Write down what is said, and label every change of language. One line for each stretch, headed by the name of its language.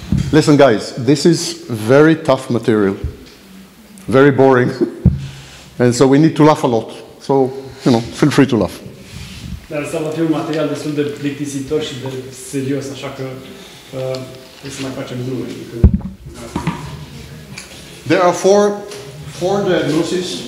English: Listen, guys, this is very tough material, very boring, and so we need to laugh a lot. So, you know, feel free to laugh.
Romanian: Dar asta va fi un material destul de plictisitor și de serios, așa că trebuie să mai facem glume.
English: There are four diagnoses.